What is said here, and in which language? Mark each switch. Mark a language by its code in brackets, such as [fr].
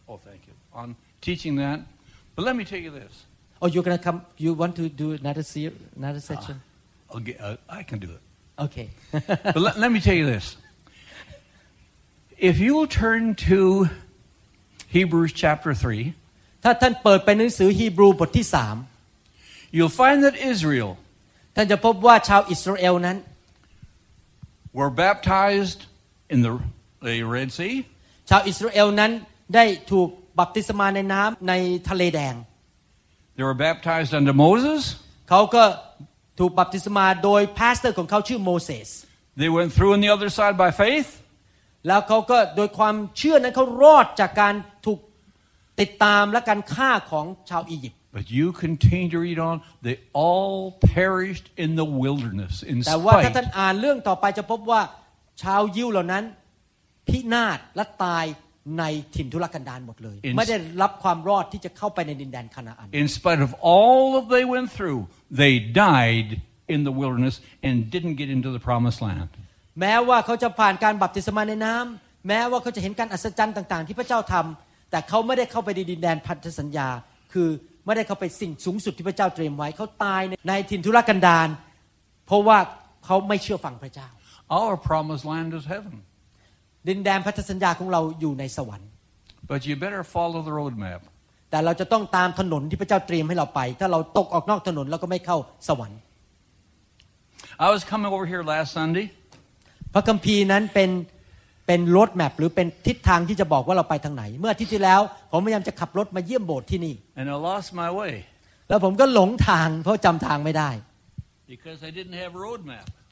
[en] Thank you. On teaching that, but let me tell you this. Oh, you're gonna come. You want to do another session? I can do it. Okay. But let me tell you this. If you will turn to Hebrews chapter 3, [th] ถ้าท่านเปิดไปหนังสือฮีบรูบทที่3 [en] you'll find that Israel, [th] ท่านจะพบว่าชาวอิสราเอลนั้น [en] were baptized in the Red Sea. [th] ชาวอิสราเอลนั้นได้ถูกบัพติศมาในน้ำในทะเลแดง [en] They were baptized under Moses. [th] เขาก็ ถูกบัพติศมาโดยพาสเตอร์ของเขาชื่อโมเสส [en] They went through on the other side by faith [th] แล้วเขาก็โดยความเชื่อนั้นเขารอดจากการถูกติดตามและการฆ่าของชาวอียิปต์ [en] But you continue to read on they all perished in the wilderness in spite [th] แต่ว่าถ้าท่านอ่านเรื่องต่อไปจะพบว่าชาวยิวเหล่านั้นพินาศและตายในถิ่นทุรกันดารหมดเลยไม่ได้รับความรอดที่จะเข้าไปในดินแดนคานาอัน [en] In spite of all of they went through they died in the wilderness and didn't get into the promised land [th] แม้ว่าเขาจะผ่านการบัพติศมาในน้ำแม้ว่าเขาจะเห็นการอัศจรรย์ต่างๆที่พระเจ้าทำแต่เขาไม่ได้เข้าไปในดินแดนพันธสัญญาคือไม่ได้เข้าไปสิ่งสูงสุดที่พระเจ้าเตรียมไว้เขาตายในถิ่นทุรกันดารเพราะว่าเขาไม่เชื่อฟังพระเจ้า [en] Our promised land is heaven [th] ดินแดนพันธสัญญาของเราอยู่ในสวรรค์ [en] But you better follow the road map [th] แต่เราจะต้องตามถนนที่พระเจ้าเตรียมให้เราไปถ้าเราตกออกนอกถนนเราก็ไม่เข้าสวรรค์ [en] I was coming over here last Sunday [th] พระคัมภีร์นั้นเป็น road map หรือเป็นทิศทางที่จะบอกว่าเราไปทางไหนเมื่ออาทิตย์ที่แล้วผมพยายามจะขับรถมาเยี่ยมโบสถ์ที่นี่ [en] And I lost my way [th] แล้วผมก็หลงทางเพราะจำทางไม่ได้ [en] Because I didn't have road map